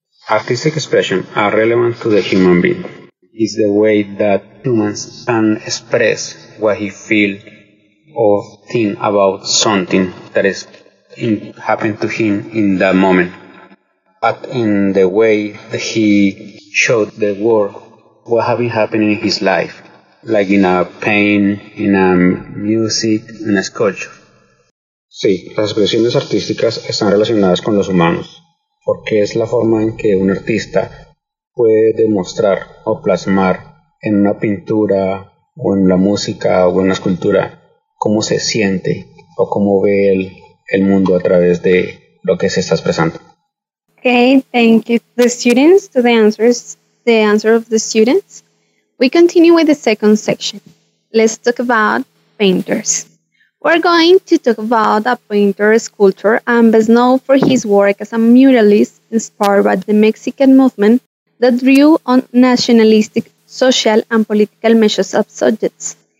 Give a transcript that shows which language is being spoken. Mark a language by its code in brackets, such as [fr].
[en] Artistic expressions are relevant to the human being. It's the way that humans can express what he feels or think about something that is happened to him in that moment. But in the way that he showed the world what has been happening in his life, like in a painting, in a music, in a sculpture. [es] Sí, las expresiones artísticas están relacionadas con los humanos, porque es la forma en que un artista puede demostrar o plasmar en una pintura o en la música o en una escultura cómo se siente o cómo ve el mundo a través de lo que se está expresando. [en] Okay, thank you. The students, to the answers, the answer of the students. We continue with the second section. Let's talk about painters. We're going to talk about a painter, sculptor, and best known for his work as a muralist inspired by the Mexican movement that drew on nationalistic, social, and political measures of subjects.